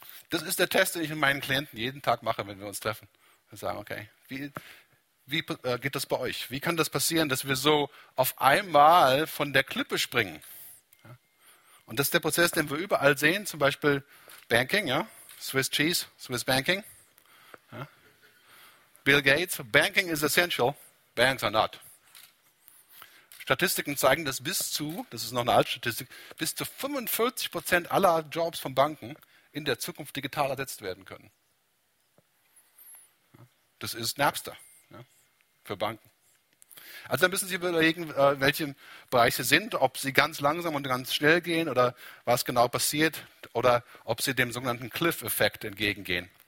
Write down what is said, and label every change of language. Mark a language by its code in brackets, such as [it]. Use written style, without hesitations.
[de] Das ist der Test, den ich mit meinen Klienten jeden Tag mache, wenn wir uns treffen. Wir sagen, okay, wie geht das bei euch? Wie kann das passieren, dass wir so auf einmal von der Klippe springen? Ja. Und das ist der Prozess, den wir überall sehen, zum Beispiel Banking, ja? [en] Swiss Cheese, Swiss Banking. [de] Ja? [en] Bill Gates, Banking is essential, banks are not. [de] Statistiken zeigen, dass bis zu 45% aller Jobs von Banken in der Zukunft digital ersetzt werden können. Das ist Napster, ja, für Banken. Also dann müssen Sie überlegen, welche Bereiche sind, ob Sie ganz langsam und ganz schnell gehen oder was genau passiert oder ob Sie dem sogenannten Cliff-Effekt entgegengehen.